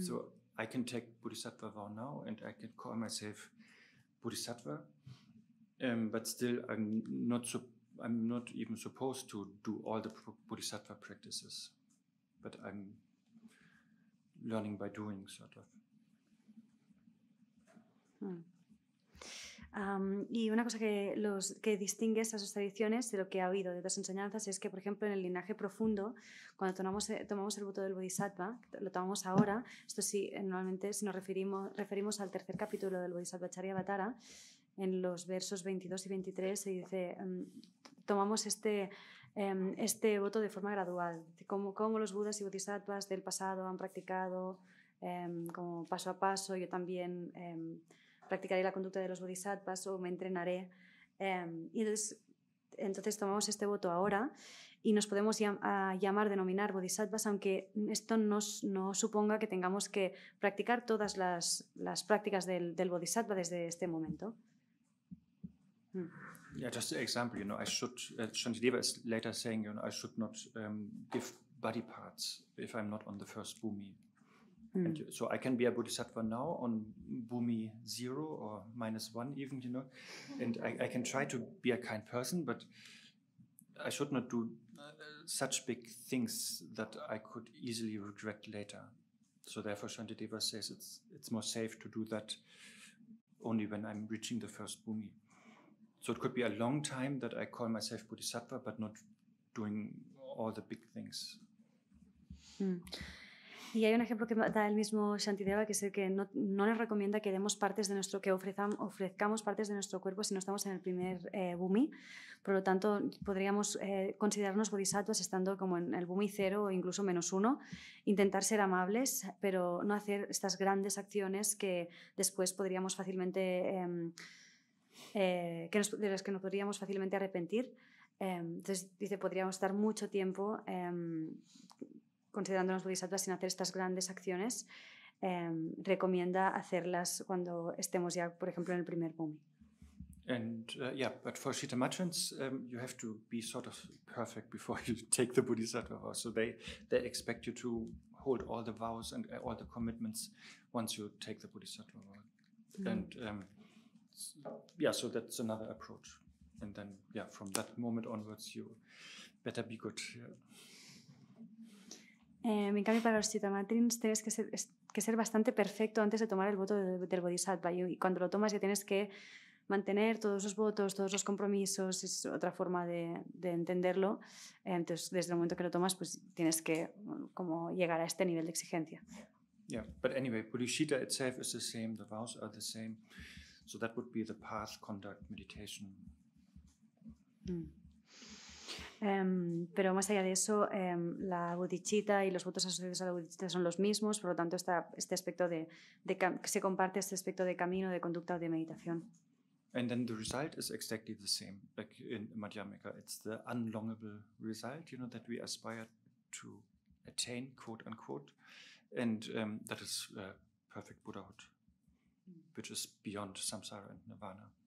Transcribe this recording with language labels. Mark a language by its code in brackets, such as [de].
[en] So I can take Bodhisattva vow now and I can call myself Bodhisattva, but still I'm not even supposed to do all the Bodhisattva practices, but I'm learning by doing, sort of. [es] Y una cosa que distingue esas dos tradiciones de lo que ha habido de otras enseñanzas es que, por ejemplo, en el linaje profundo, cuando tomamos el voto del Bodhisattva, lo tomamos ahora, esto sí, normalmente si nos referimos al tercer capítulo del Bodhisattva Charyavatara, en los versos 22 y 23 se dice, tomamos este voto de forma gradual, como los Budas y Bodhisattvas del pasado han practicado como paso a paso, yo también practicaré la conducta de los bodhisattvas o me entrenaré. Y entonces tomamos este voto ahora y nos podemos denominar bodhisattvas, aunque esto no suponga que tengamos que practicar todas las prácticas del bodhisattva desde este momento. [en] Yeah, just an example, you know, I should, Shantideva is later saying, you know, I should not give body parts if I'm not on the first bhumi. And so I can be a bodhisattva now on bhumi zero or minus one even, you know, and I can try to be a kind person, but I should not do such big things that I could easily regret later. So therefore Shantideva says it's more safe to do that only when I'm reaching the first bhumi. So it could be a long time that I call myself bodhisattva, but not doing all the big things. Mm. [es] Y hay un ejemplo que da el mismo Shantideva, que es el que no nos recomienda que demos partes de nuestro, que ofrezcamos partes de nuestro cuerpo si no estamos en el primer bumi. Por lo tanto, podríamos considerarnos bodhisattvas estando como en el bumi cero o incluso menos uno, intentar ser amables, pero no hacer estas grandes acciones que después podríamos fácilmente de las que nos podríamos fácilmente arrepentir. Entonces, dice, podríamos estar mucho tiempo considerándonos bodhisattvas sin hacer estas grandes acciones. Recomienda hacerlas cuando estemos ya, por ejemplo, en el primer bumi. [en] And yeah, but for Shitamachans, you have to be sort of perfect before you take the Bodhisattva vow. So they expect you to hold all the vows and all the commitments once you take the Bodhisattva vow. And so that's another approach. And then yeah, from that moment onwards, you better be good. [es] En cambio, para los Shitamachans tienes que ser bastante perfecto antes de tomar el voto del Bodhisattva. Y cuando lo tomas ya tienes que mantener todos los votos, todos los compromisos, es otra forma de entenderlo. Entonces, desde el momento que lo tomas, pues tienes que como llegar a este nivel de exigencia. [en] Yeah, but anyway, bodhicitta itself is the same, the vows are the same. So that would be the path, conduct, meditation. [es] Pero más allá de eso, la bodhicitta y los votos asociados a la bodhicitta son los mismos, por lo tanto, este aspecto de se comparte este aspecto de camino, de conducta o de meditación. [en] And then the result is exactly the same, like in Madhyamaka. It's the unlongable result, you know, that we aspire to attain, quote unquote. And that is perfect Buddhahood, which is beyond samsara and nirvana.